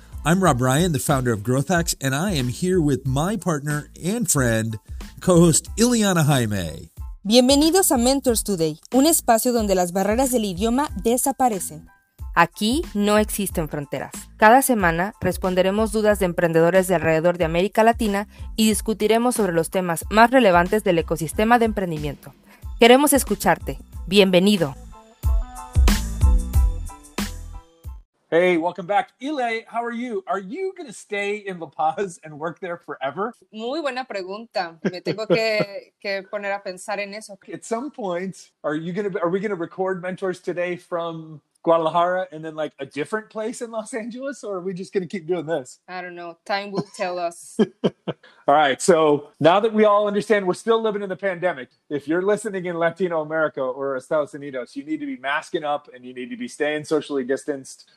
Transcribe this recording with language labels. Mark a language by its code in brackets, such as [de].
[en] I'm Rob Ryan, the founder of Growth Hacks, and I am here with my partner and friend, co-host Ileana Jaime. [es] Bienvenidos a Mentors Today, un espacio donde las barreras del idioma desaparecen. Aquí no existen fronteras. Cada semana responderemos dudas de emprendedores de alrededor de América Latina y discutiremos sobre los temas más relevantes del ecosistema de emprendimiento. Queremos escucharte. Bienvenido. [en] Hey, welcome back. Ile, how are you? Are you going to stay in La Paz and work there forever? [es] Muy buena pregunta. Me tengo que poner a pensar en eso. [en] At some point, are we going to record Mentors Today from Guadalajara and then like a different place in Los Angeles, or are we just going to keep doing this? I don't know. Time will tell us. All right. So now that we all understand we're still living in the pandemic, if you're listening in Latino America or Estados Unidos, you need to be masking up and you need to be staying socially distanced.